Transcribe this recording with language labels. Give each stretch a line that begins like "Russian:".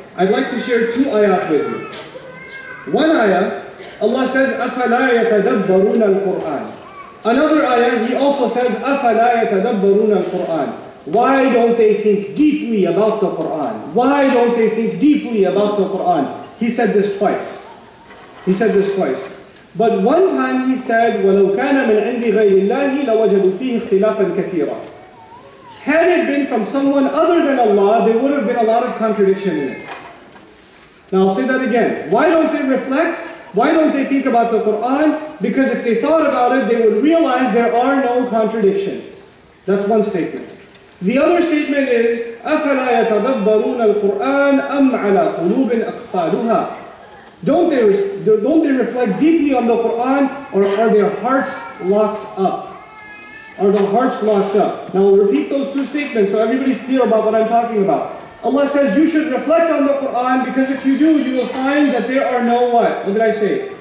English: I'd like to share two ayat with you. One ayah, Allah says,
Arabic: أَفَلَا يَتَدَبَّرُونَ الْقُرْآنِ.
English: Another ayah, He also says,
Arabic: أَفَلَا يَتَدَبَّرُونَ الْقُرْآنِ.
English: Why don't they think deeply about the Qur'an? Why don't they think deeply about the Qur'an? He said this twice. He said this twice. But one time he said,
Arabic: وَلَوْ كَانَ مِنْ عِنْدِ غَيْرِ اللَّهِ لَوَجَدُ فِيهِ اخْتِلَافًا كَثِيرًا.
English: Had it been from someone other than Allah, there would have been a lot of contradiction in it. Now I'll say that again. Why don't they reflect? Why don't they think about the Qur'an? Because if they thought about it, they would realize there are no contradictions. That's one statement. The other statement is,
Arabic: أَفَلَا يَتَدَبَّرُونَ الْقُرْآنَ أَمْ عَلَىٰ قُلُوبٍ أَقْفَالُهَا.
English: Don't they reflect deeply on the Qur'an, or are their hearts locked up? Are the hearts locked up? Now I'll repeat those two statements so everybody's clear about what I'm talking about. Allah says you should reflect on the Qur'an, because if you do, you will find that there are no what? What did I say?